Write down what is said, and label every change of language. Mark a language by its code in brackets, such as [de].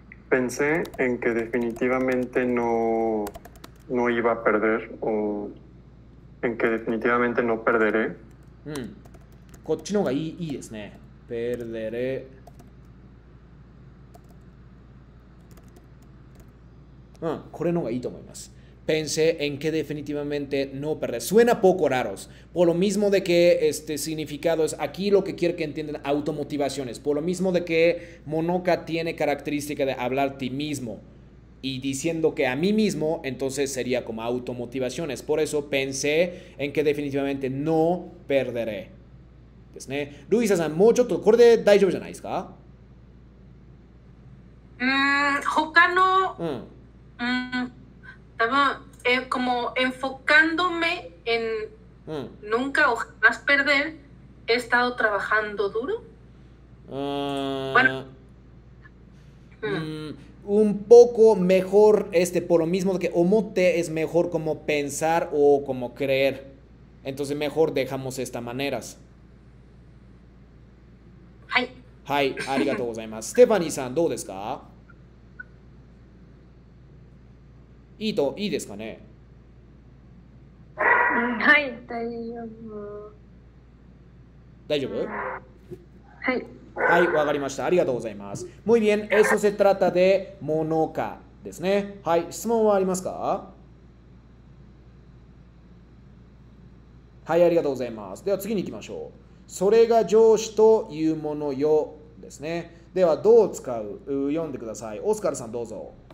[es] Pensé en que definitivamente no iba a perder o en que definitivamente no perderé. [ja] onegai shimasu. こっちの方がいいですね。 [es] perderé. [ja] これの方がいいと思います。 [es] pensé en que definitivamente no perderé. Suena poco raros. Por lo mismo de que este significado es aquí lo que quiere que entiendan automotivaciones. Por lo mismo de que Monoka tiene característica de hablar a ti mismo y diciendo que a mí mismo, entonces sería como automotivaciones. Por eso pensé en que definitivamente no perderé. [ja] ですね、ルイサさん、もうちょっとこれで大丈夫じゃないですか？他の、うん。多分、 [es] como enfocándome en nunca o jamás perder, he estado trabajando duro. Bueno. Un poco mejor, por lo mismo que omote es mejor como pensar o como creer. Entonces, mejor dejamos estas maneras. [ja] はい、ありがとうございます。ステファニーさん、どうですか？いいですかね？はい、大丈夫。大丈夫？はい。はい、わかりました。ありがとうございます。 [es] Muy bien, eso se trata de monoka [ja] ですね。はい、質問はありますか？はい、ありがとうございます。では次に行きましょう。それが上司というものよ。ですね。では、どう使う？読んでください。オスカルさん、どうぞ。